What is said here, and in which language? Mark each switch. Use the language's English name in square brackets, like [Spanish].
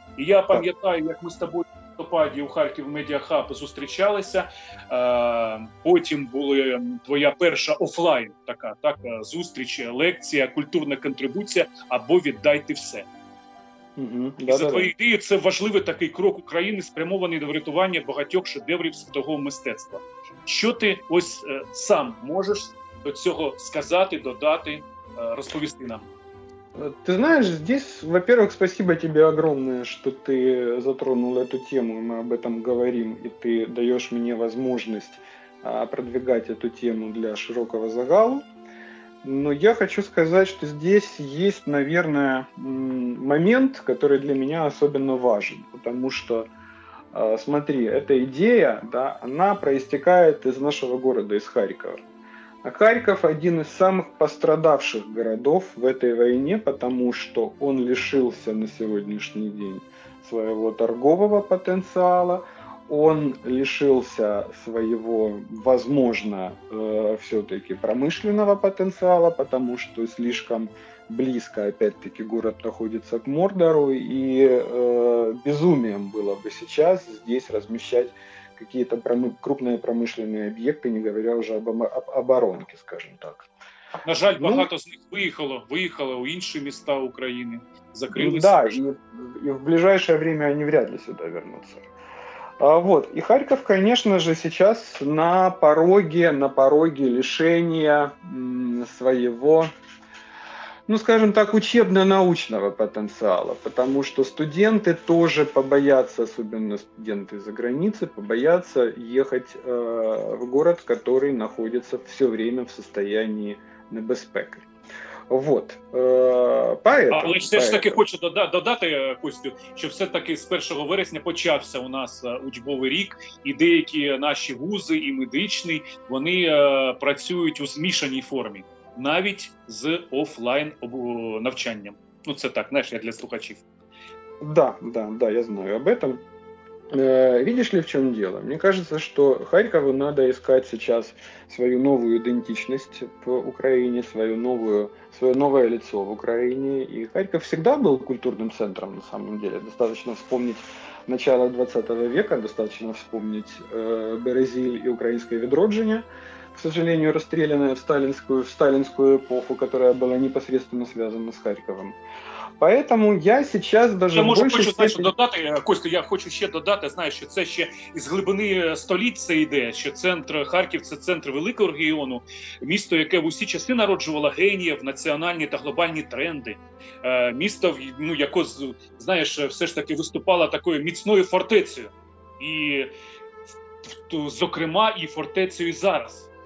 [Ukrainian] І я пам'ятаю, як ми з тобою в листопаді у Харків Медіа Хаб зустрічалися, потім була твоя перша офлайн така, так, зустріч, лекція, культурна контрибуція або «Віддайте все». Угу. І за твоєю ідеєю це важливий такий крок України, спрямований до врятування багатьох шедеврів світового мистецтва. Що ти ось сам можеш до цього сказати, додати, розповісти нам? [Russian] Ты знаешь, здесь, во-первых, спасибо тебе огромное, что ты затронул эту тему, мы об этом говорим, и ты даешь мне возможность продвигать эту тему для широкого загала. Но я хочу сказать, что здесь есть, наверное, момент, который для меня особенно важен, потому что, смотри, эта идея, да, она проистекает из нашего города, из Харькова. А Харьков один из самых пострадавших городов в этой войне, потому что он лишился на сегодняшний день своего торгового потенциала, он лишился своего, возможно, все-таки промышленного потенциала, потому что слишком близко, опять-таки, город находится к Мордору, и безумием было бы сейчас здесь размещать какие-то крупные промышленные объекты, не говоря уже об оборонке, скажем так. [Ukrainian] На жаль, багато з них виїхало у інші міста України, закрилися. [Russian] Да, і в ближайшее время они вряд ли сюда вернутся. Вот. И Харьков, конечно же, сейчас на пороге лишения своего, ну, скажем так, учебно-научного потенциала, потому что студенты тоже побоятся, особенно студенты за границы, побоятся ехать в город, который находится все время в состоянии небезпеки. Вот. [Ukrainian] Але ж все ж таки хочу додати, Костю, що все-таки з 1 вересня почався у нас учбовий рік, і деякі наші вузи і медичний, вони працюють у змішаній формі. Навіть з офлайн навчанням. Ну, це так, знаєш, я для слухачів. [Russian] Да, я знаю об этом. [Ukrainian] Видиш ли, в чому діло? Мені кажется, що Харкову треба искати сейчас свою нову ідентичність в Україні, своє нове лицо в Україні. І Харків завжди був культурним центром, [Russian] на самом деле. Достаточно вспомнить начало 20 века, достаточно вспомнить [Ukrainian] Березіль і українське відродження. [Russian] К сожалению, расстрелянная в сталинскую эпоху, которая была непосредственно связана с Харьковом. Поэтому я сейчас даже я больше... [Ukrainian] Костя, я хочу ще додати, знаєш, що це ще із глибини столітця йде, що центр Харків – це центр великого регіону, місто, яке в усі часи народжувало геніїв, національні та глобальні тренди, місто, ну, яке, знаєш, все ж таки виступало такою міцною фортецею, і, зокрема, і фортецею зараз.